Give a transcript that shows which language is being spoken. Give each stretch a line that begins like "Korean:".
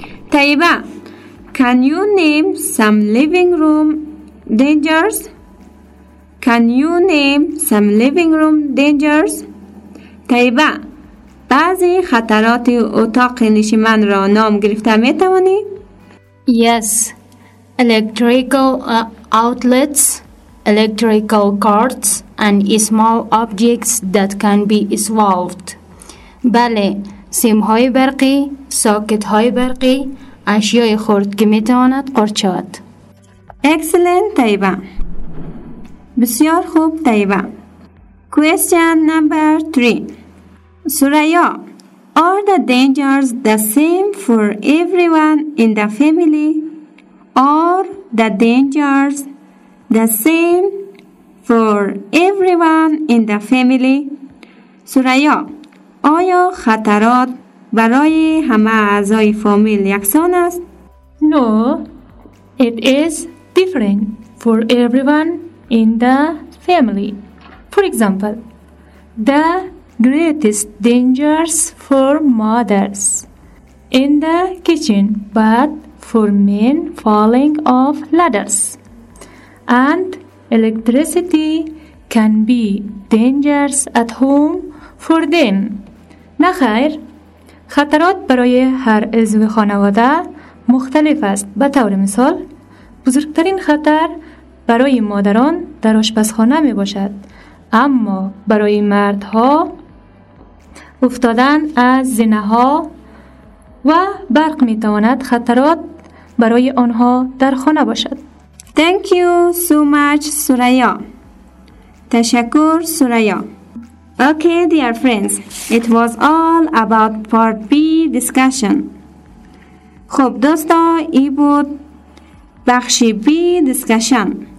English: طیبه، can you name some living room dangers? Can you name some living room dangers?
Persian: طیبه، بعضی خطرات اتاق نشیمن را نام گرفته می توانی؟
English: Yes, electrical outlets, electrical cords, and small objects that can be swallowed.
Persian: بله، سیم‌های برقی، ساکت‌های برقی، اشیای خرد که می‌تواند قورچه شود.
English: Excellent,
Persian: طیبه. بسیار خوب، طیبه.
English: Question number 3. سریا، are the dangers the same for everyone in the family? Are the dangers the same for everyone in the family?
Persian: سریا، آیا خطرات برای همه اعضای فامیل یکسان است؟
English: No, it is different for everyone in the family. For example, the greatest dangers for mothers in the kitchen, but for men falling off ladders. And electricity can be dangerous at home for them.
Persian: نخیر، خطرات برای هر عضو خانواده مختلف است. به طور مثال، بزرگترین خطر برای مادران در آشپزخانه می باشد، اما برای مردها افتادن از زینه ها و برق می تواند خطرات برای آنها در خانه باشد.
English: Thank you so much, سریا.
Persian: تشکر،
English: سریا. Okay, dear friends, it was all about part B discussion.
Persian: خب دوستا، ای بود بخش B discussion.